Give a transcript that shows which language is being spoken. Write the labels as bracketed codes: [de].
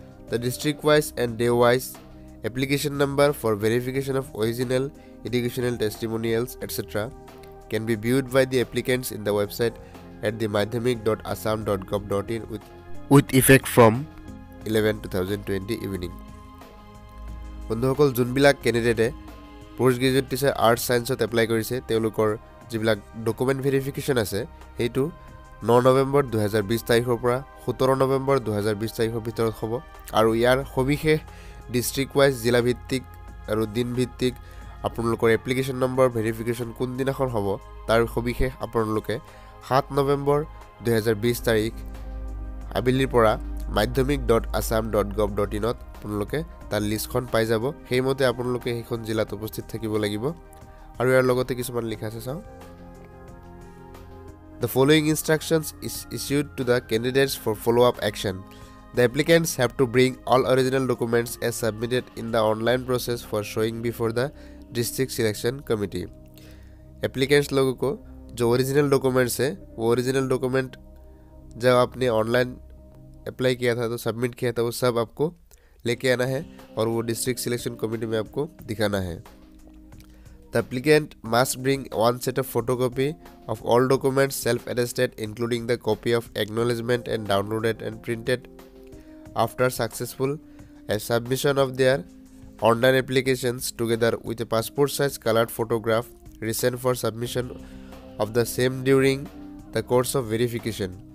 [en] The district wise and day wise application number for verification of original educational testimonials etcetera can be viewed by the applicants in the website at the माध्यमिक.assam.gov.in with effect from 11/2020 evening. [as] বন্ধুসকল, যোনবিলাক ক্যান্ডিডেটে post graduate teacher arts সায়েন্সত apply কৰিছে, তেওঁলোকৰ যিবিলাক document verification আছে সেইটো 9 নৱেম্বৰ 2020 তাৰিখৰ পৰা 17 নৱেম্বৰ 2020 তাৰিখৰ ভিতৰত হ'ব। আৰু ইয়াৰ সবিশেষ ডিষ্ট্ৰিক্ট ৱাইজ, জিলা ভিত্তিক আৰু দিন ভিত্তিক আপোনালোকৰ এপ্লিকেশ্যন নম্বৰ ভেৰিফিকেশ্যন কোনদিনাখন হ'ব তাৰ সবিশেষ আপোনালোকে 7 নৱেম্বৰ 2020 তাৰিখ আবেলিৰ পৰা মাধ্যমিক.assam.gov.in-ত আপোনালোকে তার লিষ্টখন পাই যাব। সেইমতে আপোনালোকে সেইখন জেলাত উপস্থিত থাকিব লাগিব। আৰু ইয়াৰ লগতে কিছুমান লিখা আছে চাওঁ। [en] The following instructions is issued to the candidates for follow up action. The এপ্লিকেণ্টছ have to bring all original documents as submitted in the online process for শ্বয়িং before the district selection committee. [hi] এপ্লিকেণ্টছ লোককো যে original documents আছে, ও original document যে আপুনি online apply কিয়া থা, তো submit কিয়া থা, ও সব আপকো लेके आना है और वो डिस्ट्रिक्ट सिलेक्शन कमिटी में आपको दिखाना है। [en] The applicant must bring one set of photocopy of all documents self attested including the copy of acknowledgement and downloaded and printed after successful submission of their online applications together with passport size coloured photograph recent for submission of the same during the course of verification.